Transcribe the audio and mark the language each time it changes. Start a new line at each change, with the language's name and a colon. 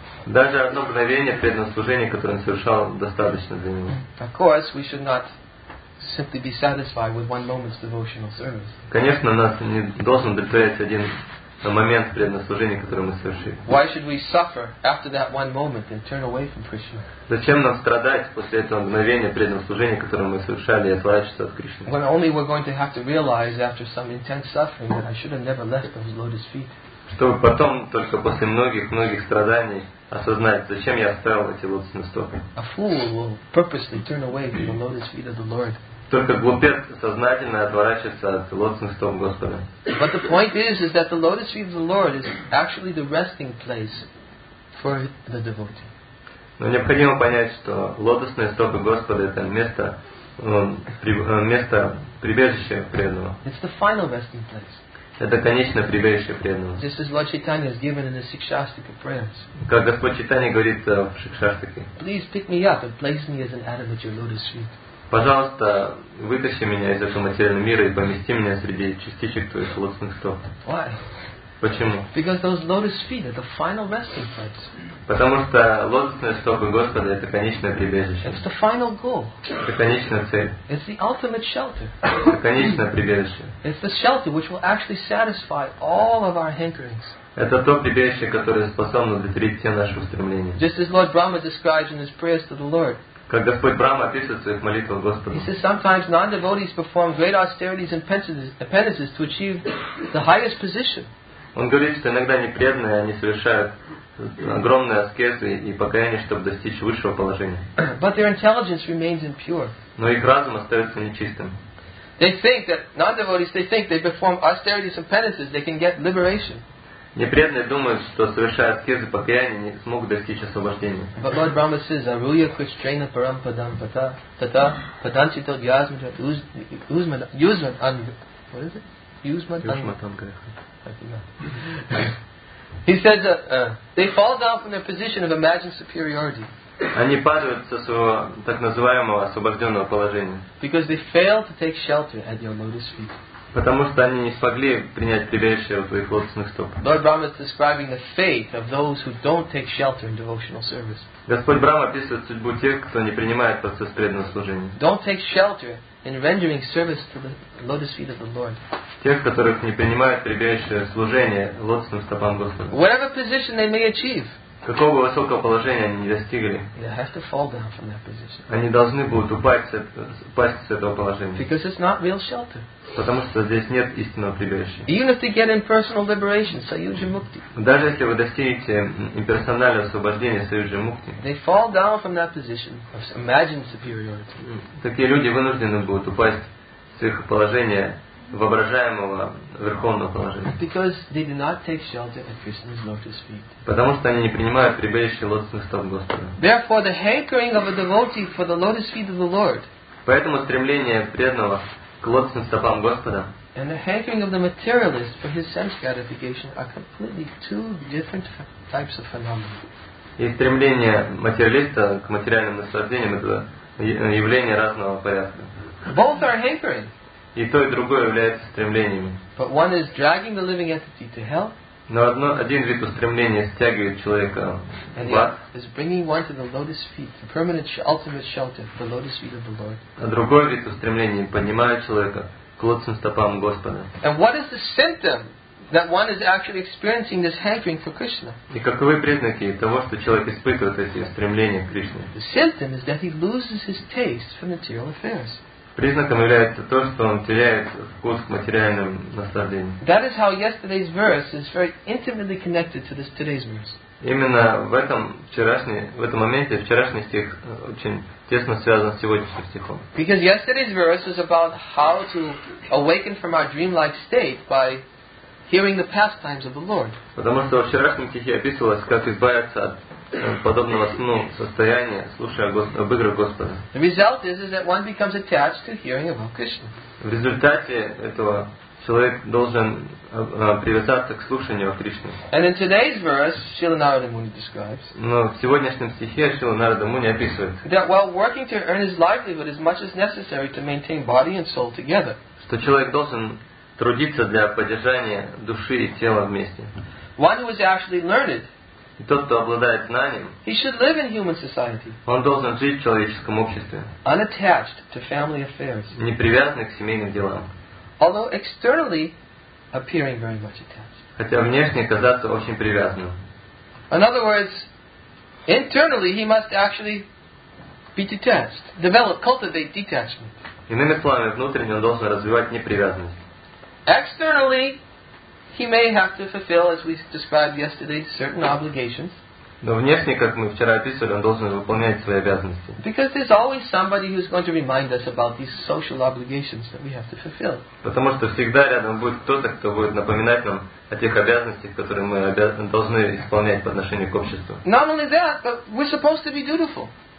Russian: Даже одно мгновение преданного служения, которое он совершал, достаточно для него.
English: Of course, we should not simply be satisfied with one moment's devotional service.
Russian: Конечно, нас не должен удовлетворять один момент преданного служения, которое мы совершили.
English: Why should we suffer after that one moment and turn away from Krishna?
Russian: Зачем нам страдать после этого мгновения преданного служения, которое мы совершали, и отворачиваться от Кришны?
English: When only we're going to have to realize after some intense suffering that I should have never left those lotus feet.
Russian: Чтобы потом, только после многих-многих страданий, осознать, зачем я оставил эти лотосные стопы.
English: A fool will purposely turn away from the lotus feet of the Lord.
Russian: Только глупец сознательно отворачивается от лотосных стоп Господа.
English: But the point is that the lotus feet of the Lord is actually the resting place for the devotee.
Russian: Но необходимо понять, что лотосные стопы Господа — это место, место прибежища преданного.
English: It's the final resting place.
Russian: Это конечное прибежище преданного.
English: This is Lord Chaitanya's given in the Sikshastika prayers.
Russian: Как Господь Чайтанья говорит в Шикшастике.
English: Please pick me up and place me as an atom at your lotus feet.
Russian: Пожалуйста, вытащи меня из этого материального мира и помести меня среди частичек твоих лотосных стоп.
English: Why?
Russian: Почему?
English: Because those lotus feet are the final resting place.
Russian: Потому что лотосные стопы Господа — это конечное прибежище.
English: It's the final goal.
Russian: Это конечная цель.
English: It's the ultimate shelter.
Russian: Это конечное прибежище.
English: It's the shelter which will actually satisfy all of our hankerings.
Russian: Это то прибежище, которое способно удовлетворить все наши устремления.
English: Just as Lord Brahma describes in his prayers to the Lord.
Russian: Как Господь Брама описывает в своих молитвах Господу.
English: He says sometimes non-devotees perform great austerities and penances to achieve the highest position.
Russian: Он говорит, что иногда непреданные, они совершают огромные аскезы и покаяния, чтобы достичь высшего положения.
English: But their intelligence remains impure.
Russian: Но их разум остается нечистым.
English: They think that non-devotees, they think they perform austerities and penances, they can get liberation.
Russian: Непреданные думают, что совершая аскезы и покаяния, они смогут достичь освобождения.
English: But Lord Brahma says,
Sanskrit: Aruya Krishna Parampadam Pata Tata Padanchito Yasmata Usmata Usmat An
English: what is it?
Sanskrit: Usmatam.
English: He says that they fall down from their position of imagined superiority.
Russian: Они падают со своего так называемого освобожденного положения.
English: Because they fail to take shelter at your lotus feet.
Russian: Потому что они не смогли принять прибежище у твоих лотосных стоп.
English: Lord Brahma is describing the fate of those who don't take shelter in devotional service.
Russian: Господь Брама описывает судьбу тех, кто не принимает процесс преданного служения.
English: Don't take shelter in rendering service to the lotus feet of the Lord.
Russian: Тех, которых не принимают прибежище служения лотосным стопам Господа.
English: Whatever position they may achieve.
Russian: какого высокого положения они не достигли.
English: They have to fall down from that position.
Russian: Они должны будут упасть с этого положения.
English: Because it's not real shelter.
Russian: Потому что здесь нет истинного прибежища.
English: Even if they get impersonal liberation, Саюджи Мукти.
Russian: Даже если вы достигнете имперсональное освобождение Саюджи Мукти.
English: They fall down from that position of imagined superiority.
Russian: Такие люди вынуждены будут упасть с их положения воображаемого верховного положения.
English: Because they do not take shelter at Krishna's lotus feet.
Russian: Потому что они не принимают прибежище лотосных стоп Господа.
English: Therefore, the hankering of a devotee for the lotus feet of the Lord.
Russian: Поэтому стремление преданного к лотосным стопам Господа.
English: And the hankering of the materialist for his sense gratification are completely two different types of phenomena.
Russian: И стремление материалиста к материальным наслаждениям — это явление разного порядка.
English: Both are hankering.
Russian: И то, и другое является стремлениями.
English: But one is dragging the living entity to hell.
Russian: Но один вид устремления стягивает человека в ад.
English: Is bringing one to the lotus feet, the permanent, ultimate shelter, the lotus feet of the Lord.
Russian: А другой вид устремления поднимает человека к лотосным стопам Господа.
English: And what is the symptom that one is actually experiencing this hankering for Krishna?
Russian: И каковы признаки того, что человек испытывает эти стремления к Кришне?
English: The symptom is that he loses his taste for material affairs.
Russian: Признаком является то, что он теряет вкус к материальным наслаждениям.
English: That is how yesterday's verse is very intimately connected to this today's verse.
Russian: Именно в этом моменте вчерашний стих очень тесно связан с сегодняшним стихом.
English: Because yesterday's verse is about how to awaken from our dreamlike state by hearing the pastimes of the Lord.
Russian: Потому что во вчерашнем стихе описывалось, как избавиться от подобного сну состояния, слушая об играх Господа.
English: The result is that one becomes attached to hearing about Krishna.
Russian: В результате этого человек должен привязаться к слушанию о Кришне.
English: And in today's verse, Srila Narada Muni describes.
Russian: Но в сегодняшнем стихе Srila Narada Muni описывает.
English: That while working to earn his livelihood as much as necessary to maintain body and soul together.
Russian: Что человек должен трудиться для поддержания души и тела вместе.
English: One who is actually learned.
Russian: И тот, кто обладает знанием,
English: he should live in human society,
Russian: он должен жить в человеческом обществе,
English: unattached to family affairs,
Russian: не привязанный к семейным делам,
English: although externally appearing very much attached,
Russian: хотя внешне казаться очень привязанным.
English: In other words, internally he must actually be detached, develop, cultivate detachment.
Russian: Иными словами, внутренне он должен развивать непривязанность.
English: Externally, he may have to fulfill, as we described yesterday, certain obligations.
Russian: Но внешне, как мы вчера описывали, он должен выполнять свои обязанности.
English: Because there's always somebody who's going to remind us about these social obligations that we have to fulfill.
Russian: Потому что всегда рядом будет кто-то, кто будет напоминать нам о тех обязанностях, которые мы должны исполнять по отношению к обществу.
English: Not only that, but we're supposed to be dutiful.